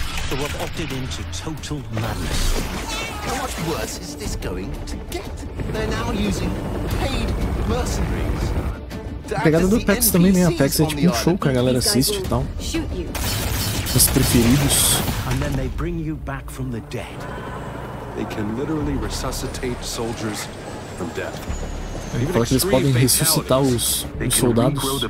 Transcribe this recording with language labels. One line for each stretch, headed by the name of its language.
English: Who have opted into total madness. How much worse is this going to get? They're now using paid mercenaries.
Portuguese: A pegada do Apex também, né? Apex é tipo um show que a galera assiste e tal. Os preferidos.
English: And then they bring you back from the dead. They can literally resuscitate soldiers from death.
Portuguese: Fala que eles podem ressuscitar os soldados.